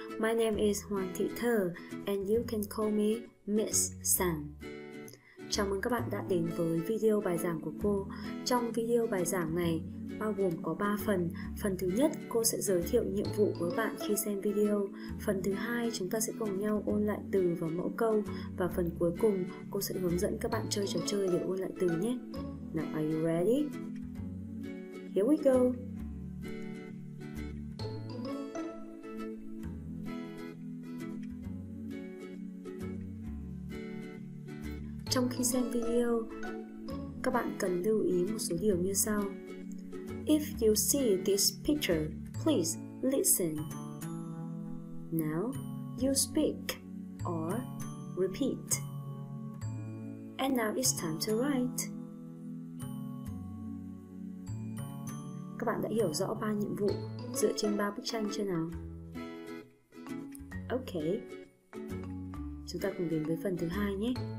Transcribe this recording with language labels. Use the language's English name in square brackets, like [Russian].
[English] My name is Hoàng Thị Thơ and you can call me Miss San. [Vietnamese] Chào mừng các bạn đã đến với video bài giảng của cô. Trong video bài giảng này bao gồm có 3 phần. Phần thứ nhất, cô sẽ giới thiệu nhiệm vụ với bạn khi xem video. Phần thứ hai, chúng ta sẽ cùng nhau ôn lại từ và mẫu câu. Và phần cuối cùng, cô sẽ hướng dẫn các bạn chơi trò chơi để ôn lại từ nhé. [English] Now are you ready? Here we go! [Vietnamese] Trong khi xem video, các bạn cần lưu ý một số điều như sau. [English] If you see this picture, please listen. Now, you speak or repeat. And now it's time to write. [Vietnamese] Các bạn đã hiểu rõ 3 nhiệm vụ dựa trên 3 bức tranh chưa nào? Ok, chúng ta cùng đến với phần thứ 2 nhé.